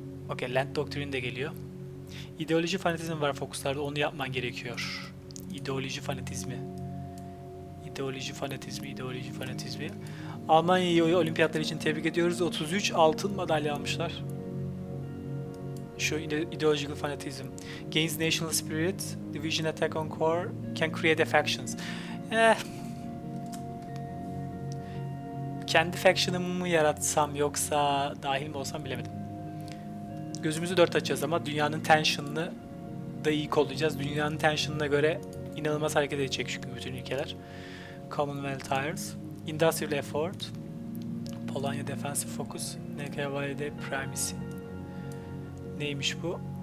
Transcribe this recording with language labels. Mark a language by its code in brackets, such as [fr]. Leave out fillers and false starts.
[tr] Okay, Land Doctrine de geliyor. İdeoloji fanatizmi var fokuslarda, onu yapman gerekiyor. İdeoloji fanatizmi. İdeoloji fanatizmi, ideoloji fanatizmi. Almanya'yı olimpiyatlar için tebrik ediyoruz. 33 altın madalya almışlar. Şu ideological fanatizm. [en] Gains national spirit, division attack on core, can create a factions. [tr] Kendi faction'ımı mı yaratsam yoksa dahil mi olsam bilemedim. Gözümüzü dört açacağız ama dünyanın tension'ını da iyi kollayacağız. Dünyanın tension'ına göre inanılmaz hareket edecek çünkü bütün ülkeler. Commonwealth Tires, Industrial Effort, Polonya Defensive Focus, Nekevalide Primacy. Neymiş bu?